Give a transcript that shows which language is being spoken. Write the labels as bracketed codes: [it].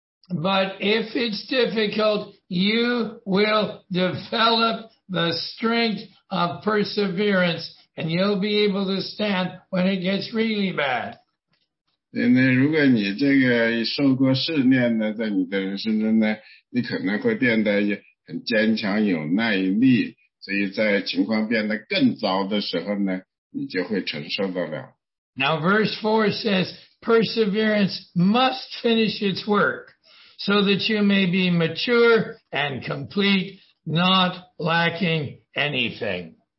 [en] But if it's difficult, you will develop the strength of perseverance, and you'll be able to stand when it gets really bad. [zh] 那如果你这个受过试炼呢，在你的人生中呢，你可能会变得很坚强有耐力，所以在情况变得更糟的时候呢，你就会承受得了。 [en] Now verse 4 says, perseverance must finish its work, so that you may be mature and complete, not lacking anything.